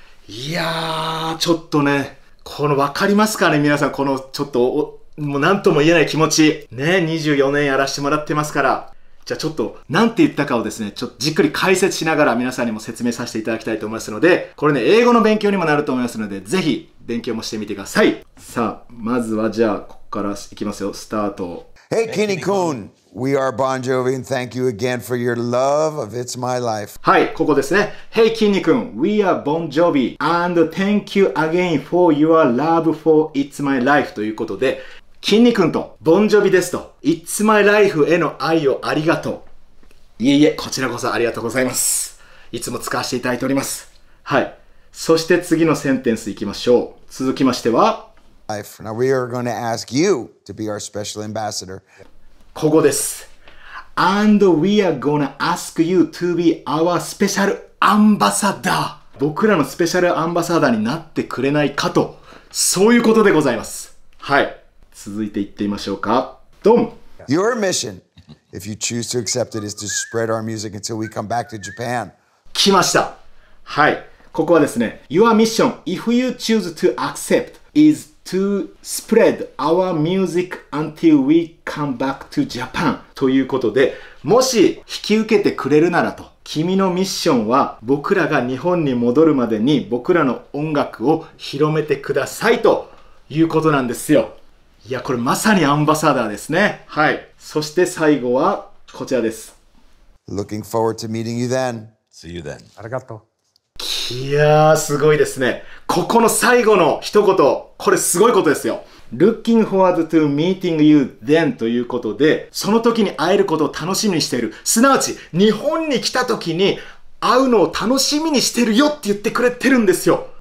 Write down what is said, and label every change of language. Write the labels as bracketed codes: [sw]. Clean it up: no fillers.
[ja] いやー、ちょっとね、この分かりますかね皆さん、このちょっともう何とも言えない気持ちね。 24年やらせてもらってますから、じゃあちょっと何て言ったかをですね、ちょっとじっくり解説しながら皆さんにも説明させていただきたいと思いますので、これね、英語の勉強にもなると思いますので、ぜひ勉強もしてみてください。さあ、まずはじゃあここからいきますよ。スタート。 [en] Hey Kinnikun, we are Bon Jovi and thank you again for your love of It's My Life. [ja] はい、ここですね。 [en] Hey Kinnikun, we are Bon Jovi and thank you again for your love for It's My Life [ja] ということで、きんに君とボンジョビですと、 It's My Life への愛をありがとう。いえいえ、こちらこそありがとうございます。いつも使わせていただいております。はい、そして次のセンテンスいきましょう。続きましては、 [en] Now we are going to ask you to be our special ambassador. [ja] ここです。 [en] And we are going to ask you to be our special ambassador. [ja] 僕らのスペシャルアンバサダーになってくれないかと、そういうことでございます。はい、続いて言ってみましょうか。ドン。 [en] Your mission, if you choose to accept it, is to spread our music until we come back to Japan. [ja] 来ました。はい。ここはですね、 [en] Your mission, if you choose to accept, is to spread our music until we come back to Japan. [ja] ということで、もし引き受けてくれるならと、君のミッションは僕らが日本に戻るまでに僕らの音楽を広めてくださいということなんですよ。いや、これまさにアンバサダーですね。はい。そして最後はこちらです。 [en] Looking forward to meeting you then. See you then. [ja] ありがとう。いやー、すごいですね。ここの最後の一言、これすごいことですよ。 [en] Looking forward to meeting you then [ja] ということで、その時に会えることを楽しみにしている。すなわち、日本に来た時に会うのを楽しみにしてるよって言ってくれてるんですよ。